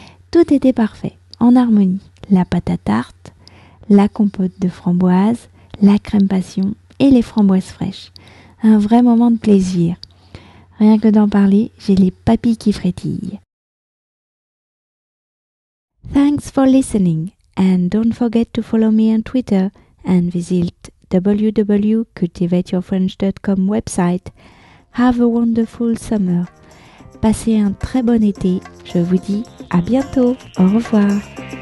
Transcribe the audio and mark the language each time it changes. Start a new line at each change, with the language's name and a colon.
French: Tout était parfait, en harmonie. La pâte à tarte, la compote de framboise, la crème passion et les framboises fraîches. Un vrai moment de plaisir. Rien que d'en parler, j'ai les papilles qui frétillent.
English: Thanks for listening and don't forget to follow me on Twitter and visit www.cultivateyourfrench.com website. Have a wonderful summer.
French: Passez un très bon été. Je vous dis à bientôt. Au revoir.